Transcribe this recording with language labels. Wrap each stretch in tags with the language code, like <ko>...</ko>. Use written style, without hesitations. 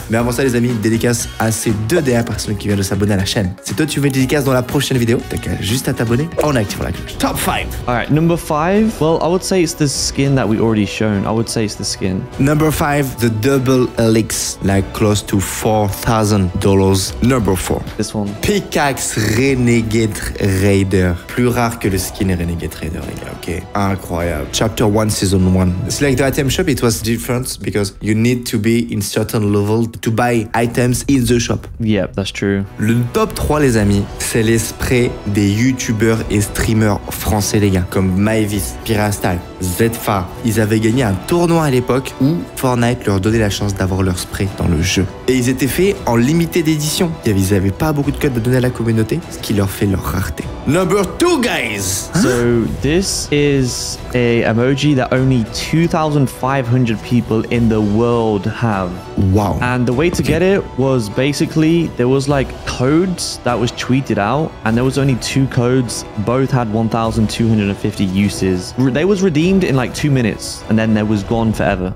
<fr>Mais avant ça, les amis, dédicace à ces deux dernières personnes qui viennent de s'abonner à la chaîne. Si toi, tu veux une dédicace dans la prochaine vidéo, t'as qu'à juste à t'abonner en activant la cloche.</fr> <en>Top 5. All right, number 5. Well, I would say it's the skin that we already shown. I would say it's the skin. Number 5, the double helix, like close to $4,000. Number 4. This one.</en> <fr>Pickaxe Renegade Raider. Plus rare que le skin Renegade Raider, les gars, OK? Incroyable.</fr> <en>Chapter 1, Season 1. It's like the item shop, it was different because you need to be in certain level to buy items in the shop. Yeah, that's true.</en> <fr>Le top 3, les amis, c'est les sprays des youtubeurs et streamers français, les gars, comme Maivis, Pirastal, Zfa. Ils avaient gagné un tournoi à l'époque où Fortnite leur donnait la chance d'avoir leur spray dans le jeu. Et ils étaient faits en limited édition. Ils n'avaient pas beaucoup de codes à donner à la communauté, ce qui leur fait leur rareté.</fr> <en>Number 2, guys! So, this is a emoji that only 2,500 people in the world have. Wow. And the way to get it was basically, there was like codes that was tweeted out, and there was only two codes. Both had 1,250 uses. They was redeemed in like 2 minutes, and then they was gone forever.</en>